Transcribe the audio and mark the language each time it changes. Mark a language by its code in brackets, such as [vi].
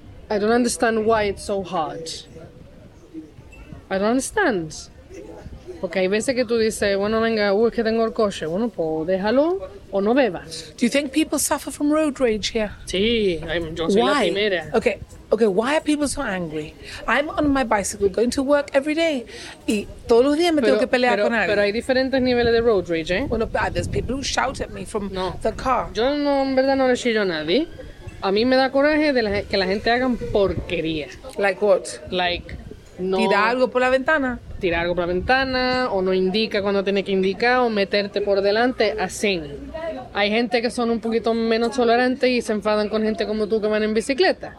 [en] I don't understand why it's so hard. I don't understand. [es] Porque hay veces que tú dices, bueno, venga, es que tengo el coche. Bueno, pues déjalo o no bebas. [en] Do you think people suffer from road rage here? [es] Sí, yo soy la primera. [en] Okay, why are people so angry? I'm on my bicycle going to work every day. [es] Y todos los días me tengo que pelear con alguien. Pero hay diferentes niveles de road rage, ¿eh? Bueno, [en] there's people who shout at me from the car. [es] Yo no, en verdad no le chillo a nadie. A mí me da coraje de que la gente hagan porquería. [en] Like what? Like, [es] no... ¿Tira algo por la ventana? Tirar algo por la ventana, o no indica cuando tiene que indicar, o meterte por delante, así. Hay gente que son un poquito menos tolerantes y se enfadan con gente como tú que van en bicicleta.